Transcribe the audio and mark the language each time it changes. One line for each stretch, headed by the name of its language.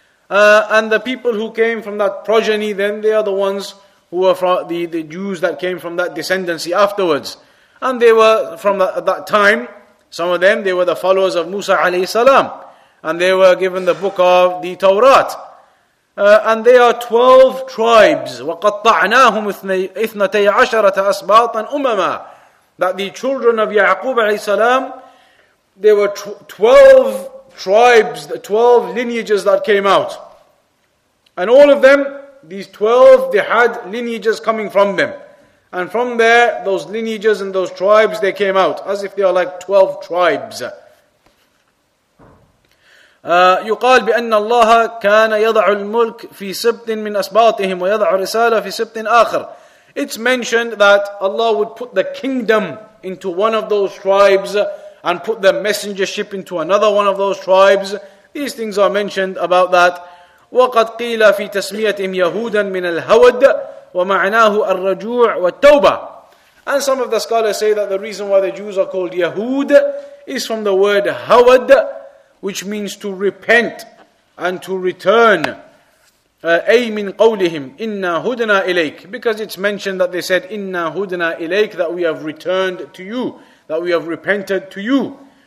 English: And the people who came from that progeny, then they are the ones who were from the Jews that came from that descendancy afterwards. And they were from that, at that time, some of them, they were the followers of Musa alayhi salam. And they were given the book of the Torah. And they are 12 tribes.
Arabic: وَقَطَّعْنَاهُمْ إِثْنَتَيْ عَشَرَةَ أَسْبَاطًا أُمَمًا.
English: That the children of Ya'qub alayhi salam, they were 12 tribes, the 12 lineages that came out. And all of them, these 12, they had lineages coming from them. And from there, those lineages and those tribes, they came out. As if they are like 12 tribes.
Arabic: يقال بأن الله كان يضع الملك في سبط من أسباطهم ويضع رسالة في سبط آخر.
English: It's mentioned that Allah would put the kingdom into one of those tribes and put the messengership into another one of those tribes. These things are mentioned about that.
Arabic: وقد قيل في تسميتهم يهودا من الهود ومعناه الرجوع والتوبة.
English: And some of the scholars say that the reason why the Jews are called Yahud is from the word Hawad, which means to repent and to return.
Arabic: أي من قولهم إنا هدنا إليك,
English: because it's mentioned that they said
Arabic: إنا هدنا إليك,
English: that we have returned to you, that we have repented to you.